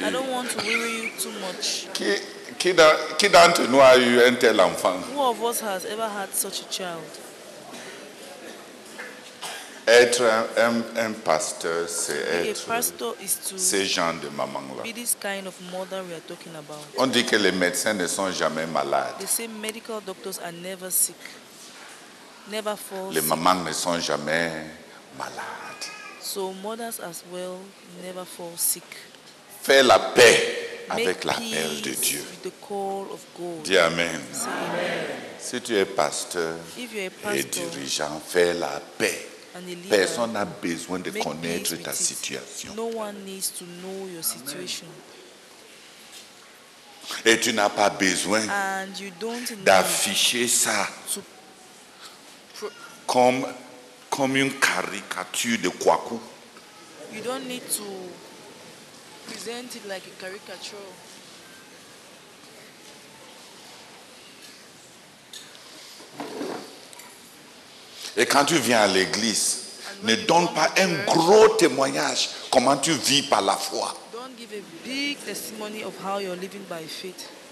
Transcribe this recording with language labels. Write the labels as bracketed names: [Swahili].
[English] I don't want to worry you too much. [French] Qui d'entre nous a eu un tel enfant? [English] Who of us has ever had such a child? [French] Être un pasteur, c'est ce genre de maman-là. [English] Kind of mother we are talking about. [French] On dit que les médecins ne sont jamais malades. [English] They say medical doctors are never sick, never fall [French] les mamans [English] sick. [French] Ne sont jamais malades. [English] So mothers as well never fall sick. [French] Fais la paix avec l'appel de Dieu. [English] With the call of God. [French] Dis amen. Amen. Si tu es pasteur, [English] if you're a pastor, [French] et dirigeant, fais la paix. Personne n'a besoin de connaître ta situation. [English] No one needs to know your situation. [French] Et tu n'as pas besoin d'afficher ça comme une caricature de Kwaku. [English] You don't need to present it like a caricature. [French] Et quand tu viens à l'église, ne donne pas un gros témoignage comment tu vis par la foi. [English] Don't give a big testimony of how you're living by faith.